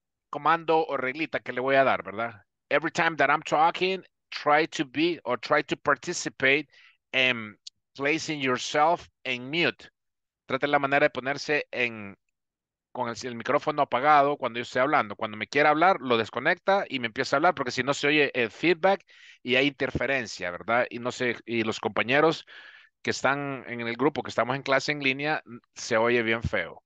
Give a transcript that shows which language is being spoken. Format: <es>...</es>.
<es>Comando o reglita que le voy a dar, ¿verdad?</es> <en>Every time that I'm talking, try to be or try to participate in placing yourself in mute.</en> <es>Trate la manera de ponerse con el micrófono apagado cuando yo esté hablando. Cuando me quiera hablar, lo desconecta y me empieza a hablar, porque si no se oye el feedback y hay interferencia, ¿verdad? Y no sé, y los compañeros que están en el grupo, que estamos en clase en línea, se oye bien feo.</es>